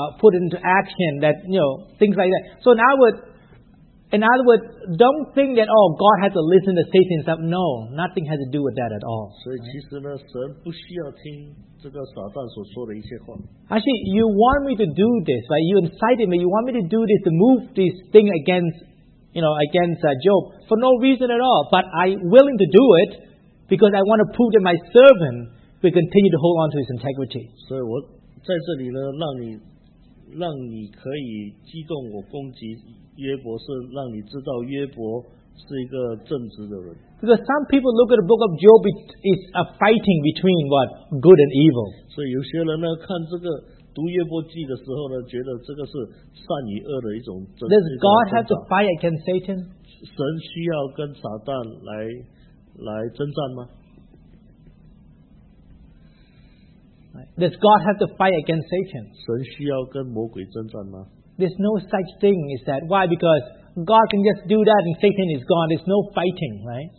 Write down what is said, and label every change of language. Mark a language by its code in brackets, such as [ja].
[en] Put into action that, you know, things like that. So in other words, don't think that, oh, God has to listen to Satan and stuff. No, nothing has to do with that at all. [zh] 所以其实呢，神不需要听这个撒旦所说的一些话。 [en] Actually, you want me to do this, right? You incited me. You want me to do this, to move this thing against, you know, against Job for no reason at all. But I'm willing to do it because I want to prove that my servant will continue to hold on to his integrity. [zh] 所以我在这里呢，让你可以激动我攻击约伯，是让你知道约伯是一个正直的人。 [en] Because some people look at the book of Job, it's a fighting between what? Good and evil. [zh] 所以有些人呢，看这个读约伯记的时候呢，觉得这个是善与恶的一种争 [en] 斗。Does God have to fight against Satan? [zh] 神需要跟撒旦来征战吗？ [en] Does God have to fight against Satan? [zh] 神需要跟魔鬼征战吗？ [en] There's no such thing as that. Why? Because God can just do that and Satan is gone. There's no fighting, right?